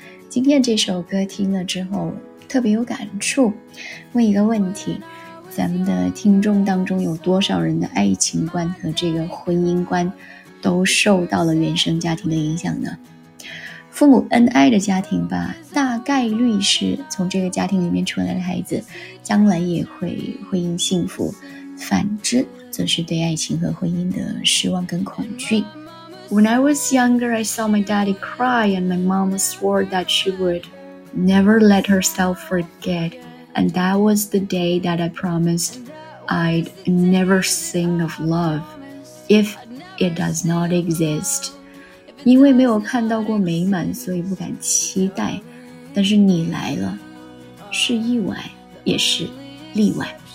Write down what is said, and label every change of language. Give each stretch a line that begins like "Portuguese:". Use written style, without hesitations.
Chinese: 今天这首歌听了之后特别有感触，问一个问题，咱们的听众当中有多少人的爱情观和这个婚姻观都受到了原生家庭的影响呢？父母恩爱的家庭吧，大概率是从这个家庭里面出来的孩子将来也会婚姻幸福，反之则是对爱情和婚姻的失望跟恐惧。
English: When I was younger, I saw my daddy cry and my mom swore that she would never let herself forget. And that was the day that I promised I'd never sing of love if it does not exist.
Chinese: 因为没有看到过美满，所以不敢期待，但是你来了，是意外也是例外。